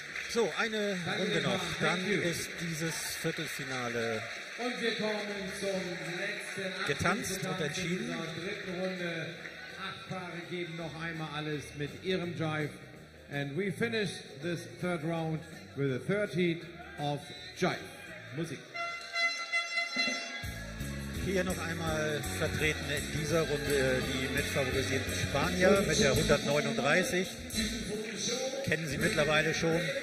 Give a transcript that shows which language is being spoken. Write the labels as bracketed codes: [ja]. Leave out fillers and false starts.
[de] So, eine Runde noch, dann ist dieses Viertelfinale und wir kommen zum letzten getanzt und entschieden. In der dritten Runde, acht Paare geben noch einmal alles mit ihrem Jive. [en] And we finish this third round with a third heat of Jive. [de] Musik. Hier noch einmal vertreten in dieser Runde die mitfavorisierten Spanier mit der 139. Kennen Sie mittlerweile schon.